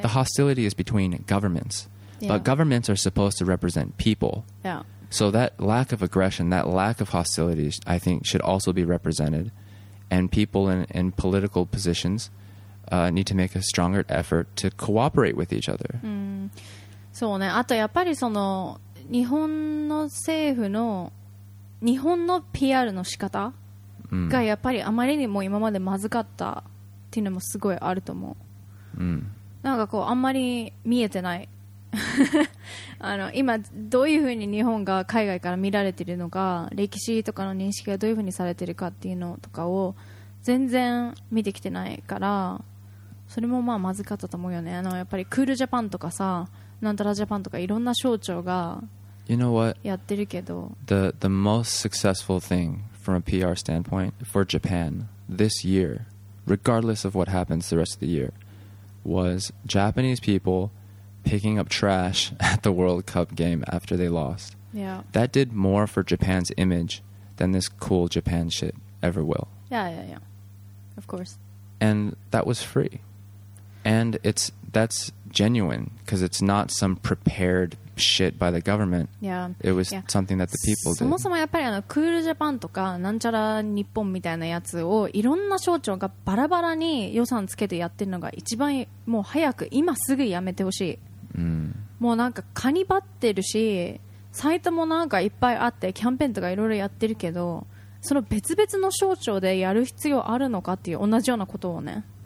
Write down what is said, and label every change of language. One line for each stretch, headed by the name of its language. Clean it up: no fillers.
English: The hostility is between governments. But governments are supposed to represent people. Yeah. So that lack of aggression, that lack of hostility, I think, should also be represented. And people in political positions need to make a stronger effort to cooperate with each other.
Japanese: そうね。あとやっぱりその日本の政府の日本の PR の仕方がやっぱりあまりにも今までまずかったっていうのもすごいあると思う。なんかこうあんまり見えてない。あの今どういうふうに日本が海外から見られているのか、歴史とかの認識がどういうふうにされているかっていうのとかを全然見てきてないから、それも まずかったと思うよね。あのやっぱりクールジャパンとかさ、なんたらジャパンとかいろんな省庁がやってるけど、
English: the most successful thing from a PR standpoint for Japan this year, regardless of what happens the rest of the year, was Japanese peoplePicking up trash at the World Cup game after they lost. Yeah. That did more for Japan's image than this cool Japan shit ever will. Yeah. Of course. And that was free. And that's genuine, because it's not some prepared shit by the government. Yeah. It was something that the people did.
Japanese: そもそもやっぱりあのクールジャパンとかなんちゃら日本みたいなやつをいろんな省庁がバラバラに予算つけてやってるのが一番もう早く今すぐやめてほしい。もうなんかカニバってるし、サイトもなんかいっぱいあってキャンペーンとかいろいろやってるけど、その別々の省庁でやる必要あるのかっていう同じようなことをね。